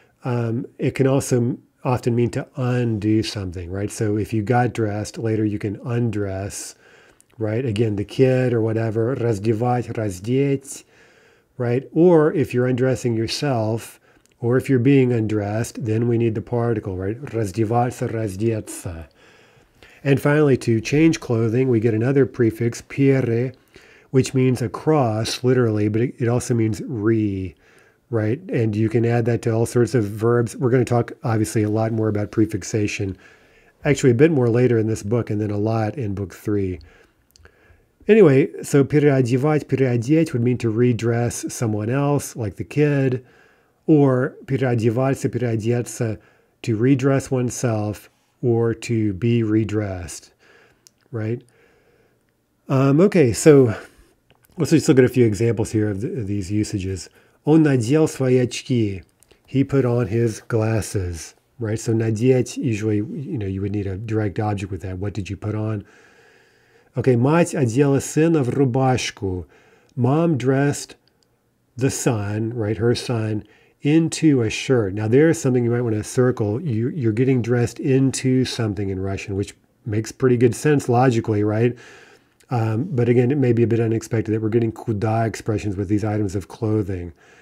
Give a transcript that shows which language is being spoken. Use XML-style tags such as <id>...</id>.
<en>It can also often mean to undo something, right? So if you got dressed, later you can undress, right? Again, the kid or whatever. Раздевать, раздеть. Right? Or if you're undressing yourself, or if you're being undressed, then we need the particle, right?</en> <ru>Раздеваться, раздеться.</ru> <en>And finally, to change clothing, we get another prefix, piere, which means across, literally, but it also means re, right? And you can add that to all sorts of verbs. We're going to talk, obviously, a lot more about prefixation, actually a bit more later in this book, and then a lot in book three. Anyway, so переодевать, переодеть would mean to redress someone else, like the kid, or переодеваться, переодеться, to redress oneself, or to be redressed, right? Okay, so let's just look at a few examples here of these usages.</en> <ru>Он надел свои очки.</ru> <en>He put on his glasses, right? So надеть, usually, you know, you would need a direct object with that. What did you put on?</en> <ru>Okay, мать одела сына в рубашку.</ru> <en>Mom dressed the son, right, her son, into a shirt. Now, there's something you might want to circle. You're getting dressed into something in Russian, which makes pretty good sense logically, right? But again, it may be a bit unexpected that we're getting куда expressions with these items of clothing.</en>